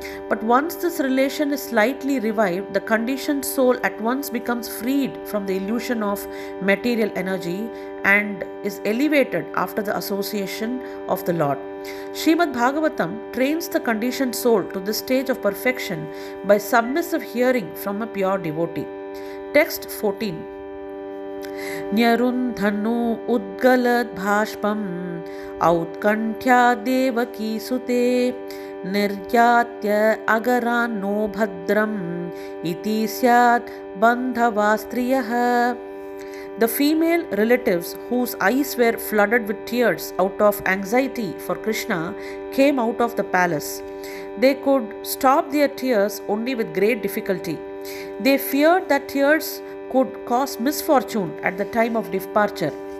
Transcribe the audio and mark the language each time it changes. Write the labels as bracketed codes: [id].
[en] But once this relation is slightly revived, the conditioned soul at once becomes freed from the illusion of material energy and is elevated after the association of the Lord. Srimad Bhagavatam trains the conditioned soul to this stage of perfection by submissive hearing from a pure devotee. Text 14. [sa] न्यरुन्धनु उद्गलद् भाष्पम् औत्कण्ठ्या Devaki सुते निर्यात्य अगरान्नो भद्रम् इति स्यात् बन्धवास्त्रियः. [en] The female relatives, whose eyes were flooded with tears out of anxiety for Krishna, came out of the palace. They could stop their tears only with great difficulty. They feared that tears could cause misfortune at the time of departure.